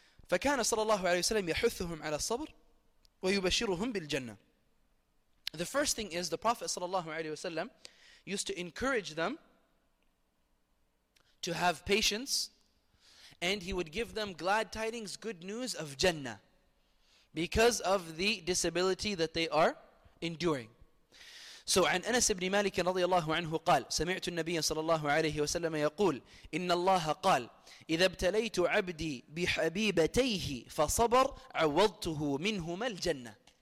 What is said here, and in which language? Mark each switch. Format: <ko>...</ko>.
<ar>فكان صلى الله عليه وسلم يحثهم على الصبر ويبشرهم بالجنة.</ar> <en>The first thing is the Prophet</en> <ar>صلى الله عليه وسلم</ar> <en>used to encourage them to have patience, and he would give them glad tidings, good news of Jannah, because of the disability that they are enduring.</en> <ar>So, عن أنس بن مالك رضي الله عنه قال سمعت النبي صلى الله عليه وسلم يقول إن الله قال إذا ابتليت عبدي بحبيبتيه فصبر عوضته منهما الجنة.</ar>